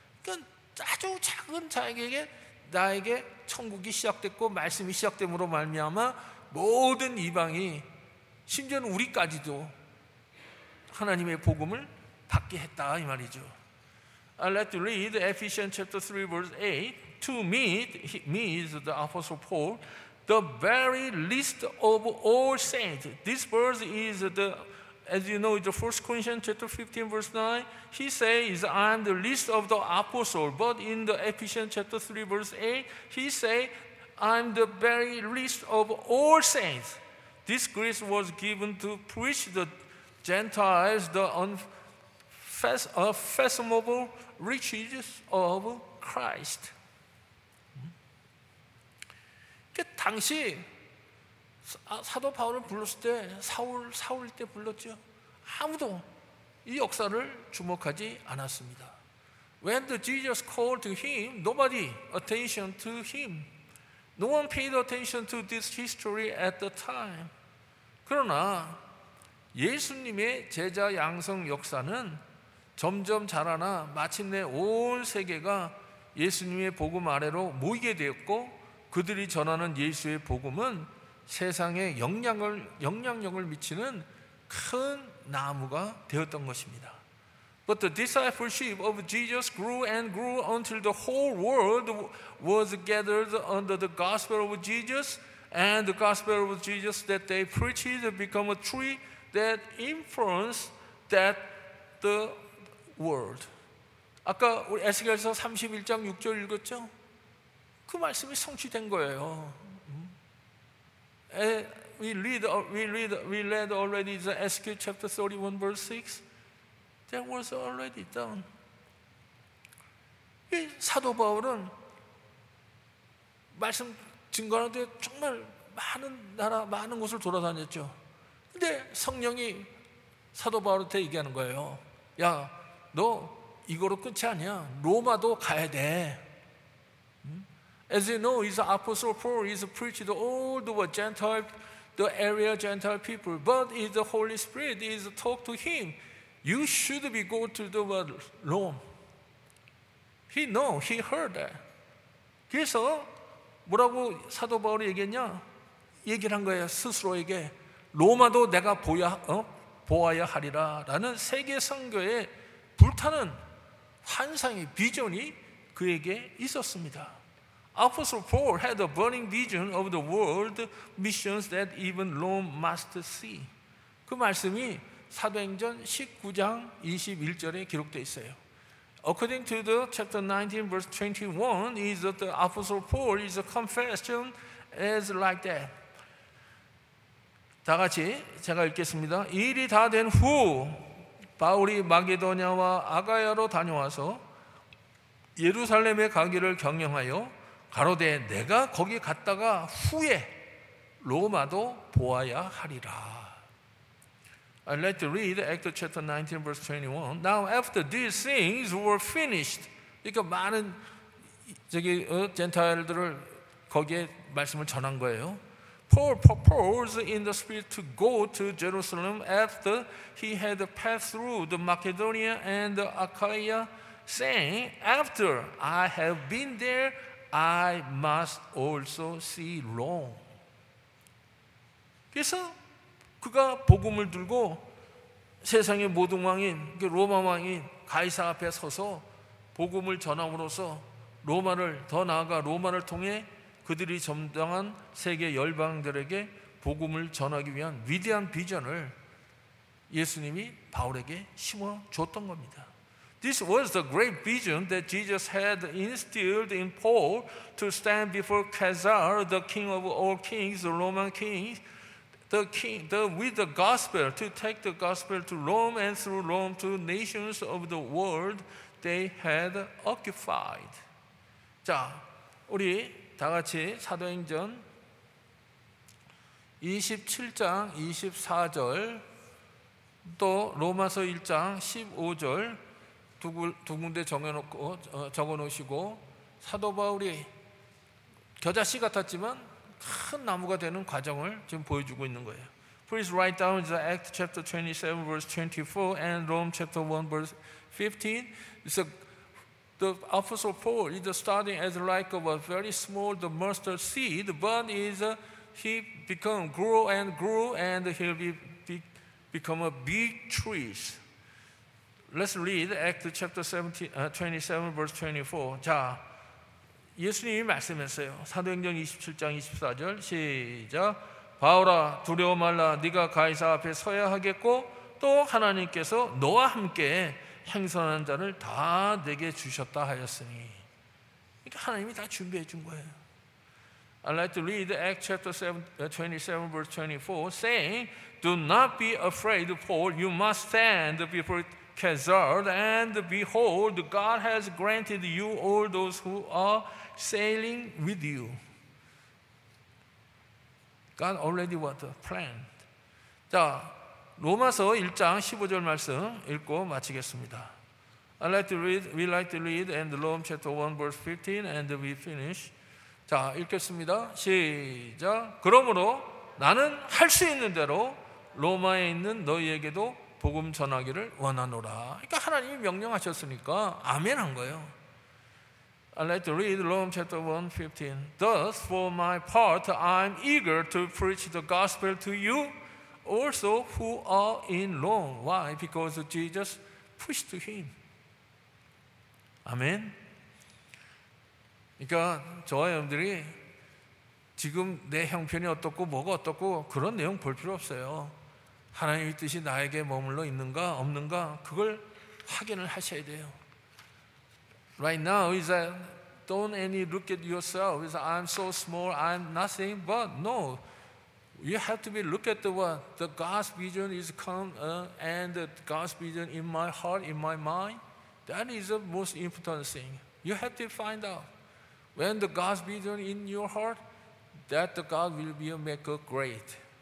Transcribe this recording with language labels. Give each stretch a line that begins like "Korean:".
Korean: 그러니까 아주 작은 자에게 나에게 천국이 시작됐고 말씀이 시작됨으로 말미암아 모든 이방이 심지어는 우리까지도 하나님의 복음을 받게 했다 이 말이죠.
English: I let you read Ephesians chapter 3 verse 8. To me, me is the apostle Paul, the very least of all saints. This verse is the, as you know, the 1 Corinthians chapter 15 verse 9. He says, I am the least of the apostles. But in the Ephesians chapter 3 verse 8, he says, I am the very least of all saints. This grace was given to preach the Gentiles the unfathomable riches of Christ.
Korean: 그 당시 사도 바울을 불렀을 때 사울 때 불렀죠. 아무도 이 역사를 주목하지 않았습니다.
English: When the Jesus called to him, nobody attention to him. No one paid attention to this history at the time.
Korean: 그러나 예수님의 제자 양성 역사는 점점 자라나 마침내 온 세계가 예수님의 복음 아래로 모이게 되었고 그들이 전하는 예수의 복음은 세상에 영향력을 미치는 큰 나무가 되었던 것입니다.
English: But the discipleship of Jesus grew and grew until the whole world was gathered under the gospel of Jesus and the gospel of Jesus that they preached became a tree that influenced that the world.
Korean: 아까 우리 에스겔서 31장 6절 읽었죠? 그 말씀이 성취된 거예요.
English: We read already the Ezekiel chapter 31 verse 6. That was already done.
Korean: 이 사도 바울은 말씀 증거하는 데 정말 많은 나라 많은 곳을 돌아다녔죠. 근데 성령이 사도 바울한테 얘기하는 거예요. 야, 너 이거로 끝이 아니야. 로마도 가야 돼.
English: As you know, his apostle Paul is preached all the Gentile, the area Gentile people. But if the Holy Spirit is talk to him, you should be go to the Rome. He know, he heard that.
Korean: 그래서 뭐라고 사도 바울이 얘기했냐? 얘기를 한 거예요, 스스로에게. 로마도 내가 보아야 하리라 라는 세계 선교의 불타는 환상이, 비전이 그에게 있었습니다.
English: Apostle Paul had a burning vision of the world missions that even Rome must see.
Korean: 그 말씀이 사도행전 19장 21절에 기록되어 있어요.
English: According to the chapter 19 verse 21 is that the Apostle Paul is a confession as like that.
Korean: 다 같이 제가 읽겠습니다. 일이 다 된 후 바울이 마게도냐와 아가야로 다녀와서 예루살렘에 가기를 경영하여 가로되 내가 거기 갔다가 후에 로마도 보아야 하리라.
English: I let you read Acts chapter 19 verse 21. Now after these things were finished,
Korean: 그러니까 많은 저기 젠타일들을 거기에 말씀을 전한 거예요.
English: Paul proposed in the spirit to go to Jerusalem after he had passed through the Macedonia and the Achaia, saying, "After I have been there, I must also see Rome."
Korean: 그래서 그가 복음을 들고 세상의 모든 왕인 로마 왕인 가이사 앞에 서서 복음을 전함으로써 로마를 더 나아가 로마를 통해 그들이 점령한 세계 열방들에게 복음을 전하기 위한 위대한 비전을 예수님이 바울에게 심어 줬던 겁니다.
English: This was the great vision that Jesus had instilled in Paul to stand before Caesar, the king of all kings, the Roman king, with the gospel, to take the gospel to Rome and through Rome to nations of the world they had occupied.
Korean: 자, 우리 다 같이 사도행전 27장 24절 또 로마서 1장 15절 두 군데 정해놓고 적어놓으시고 사도바울이 겨자씨 같았지만 큰 나무가 되는 과정을 지금 보여주고 있는 거예요.
English: Please write down the Acts chapter 27 verse 24 and Rome chapter 1 verse 15. The apostle Paul is starting as like a very small the mustard seed, but he become grow and grow and he'll become a big trees. Let's read Acts chapter 27 verse 24.
Korean: 자, 예수님이 말씀했어요. 사도행전 27장 24절 시작. 바울아 두려워 말라. 네가 가이사 앞에 서야 하겠고 또 하나님께서 너와 함께 행선한 자를 다 내게 주셨다 하였으니. 그러니까 하나님이 다 준비해 준 거예요.
English: I'd like to read Acts chapter 27 verse 24 saying, Do not be afraid, Paul. You must stand before Caesar, and behold, God has granted you all those who are sailing with you. God already what planned.
Korean: 자, 로마서 1장 15절 말씀 읽고 마치겠습니다.
English: We'd like to read and Rome chapter 1 verse 15 and we finish.
Korean: 자, 읽겠습니다. 시작. 그러므로 나는 할 수 있는 대로 로마에 있는 너희에게도 복음 전하기를 원하노라. 그러니까 하나님이 명령하셨으니까 아멘 한 거예요.
English: I'd like to read Romans chapter 1, 15. Thus, for my part, I'm eager to preach the gospel to you also who are in Rome. Why? Because Jesus pushed to him. Amen.
Korean: 그러니까 저와 여러분들이 지금 내 형편이 어떻고 뭐가 어떻고 그런 내용 볼 필요 없어요. 하나님의 뜻이 나에게 머물러 있는가 없는가 그걸 확인을 하셔야 돼요.
English: Right now is that don't any look at yourself. Is I'm so small, I'm nothing. But no, you have to be look at the what the God's vision is come and God's vision in my heart, in my mind. That is the most important thing. You have to find out when the God's vision in your heart, that the God will be a maker great.